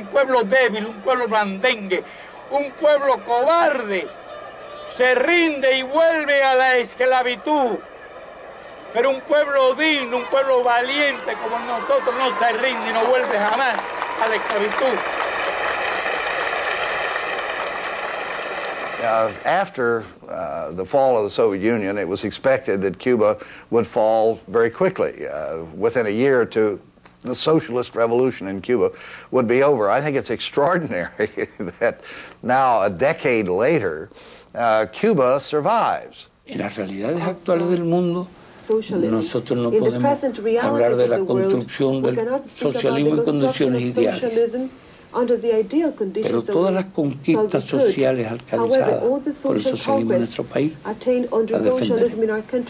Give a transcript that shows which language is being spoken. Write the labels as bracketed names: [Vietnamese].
[Spanish] Un pueblo débil, un pueblo blandengue, un pueblo cobarde, se rinde y vuelve a la esclavitud. Pero un pueblo digno, un pueblo valiente como nosotros no se rinde y no vuelve jamás a la esclavitud. [English] After the fall of the Soviet Union, it was expected that Cuba would fall very quickly. Within a year or two, the socialist revolution in Cuba would be over. I think it's extraordinary that now, a decade later, Cuba survives. [Spanish] En las realidades actuales del mundo, nosotros no podemos hablar de la construcción del socialismo en condiciones ideales. Pero todas las conquistas sociales alcanzadas por el socialismo en nuestro país las defenderemos.